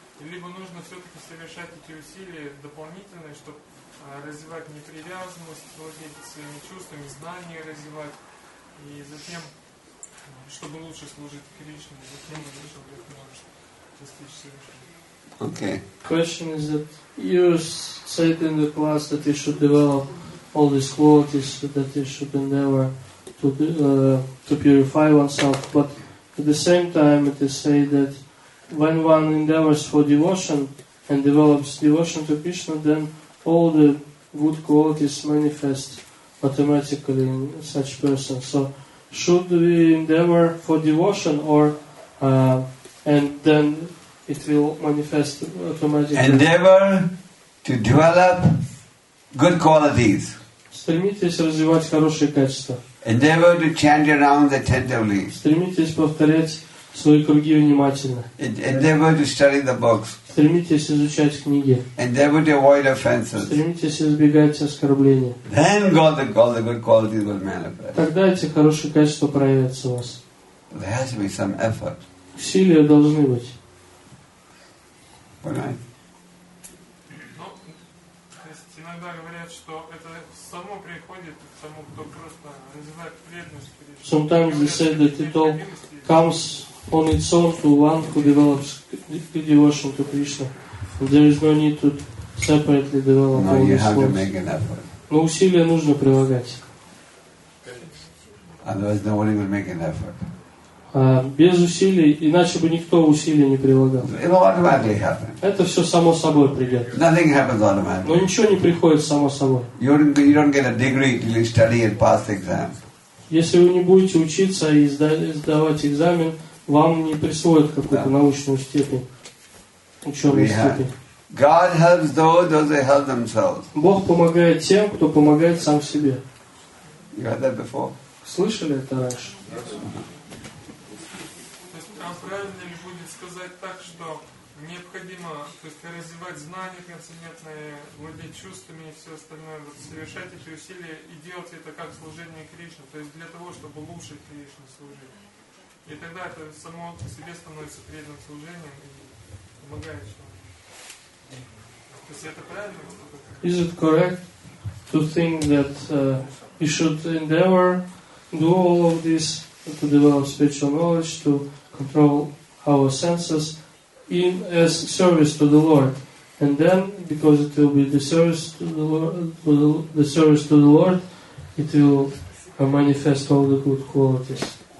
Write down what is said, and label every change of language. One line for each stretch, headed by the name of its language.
Russian: Либо нужно все-таки совершать эти усилия дополнительные, чтобы развивать непривязанность, владеть своими чувствами, знания развивать, и затем, чтобы лучше служить Кришне, затем лучше будет можно достичь совершенства.
English: Okay. Question is that you said in the class that you should develop all these qualities, that you should endeavor to purify oneself, but at the same time it is said that when one endeavors for devotion and develops devotion to Krishna, then all the good qualities manifest automatically in such person. So, should we endeavor for devotion, and then it will manifest automatically? Endeavor to develop good qualities.
Russian: Стремитесь развивать хорошие качества.
English: Endeavor to chant your rounds attentively.
Russian: Стремитесь повторять свои круги внимательно.
English: Endeavor to study the books.
Russian: Стремитесь изучать книги.
English: Endeavor to avoid offenses.
Russian: Стремитесь избегать оскорблений.
English: Then all the good qualities will manifest.
Russian: Тогда эти хорошие качества проявятся у вас.
English: There has to be some effort.
Russian: Усилия должны быть. Понимаете? Иногда говорят, что это само приходит к тому, кто просто развивает преданность.
English: Sometimes they say that it all comes on its own to one who develops devotion to Krishna. There is no need to separately develop all these qualities.
Russian: Но усилия нужно прилагать.
English: Otherwise no one will make an effort.
Russian: Без усилий, иначе бы никто усилия не прилагал. Это все само собой придет.
English: Nothing happens automatically.
Russian: Но ничего не приходит само собой.
English: You don't get a degree till you study and pass the exam.
Russian: Если вы не будете учиться и сдавать экзамен, вам не присвоят какую-то научную степень, ученую степень.
English: God helps those who help themselves.
Russian: Бог помогает тем, кто помогает сам себе.
English: You heard that before?
Russian: Слышали это раньше? Правильно ли будет сказать так, что необходимо, то есть развивать знания трансцендентные, владеть чувствами и все остальное, вот, совершать эти усилия и делать это как служение Кришне, то есть для того, чтобы лучше Кришне служить. И тогда это само по себе становится преданным служением и помогает человеку. То есть это правильно?
English: Is it correct to think that you should endeavor do all of this to develop spiritual knowledge, to control our senses in as service to the Lord, and then because it will be the service to the Lord, it will manifest all the good qualities.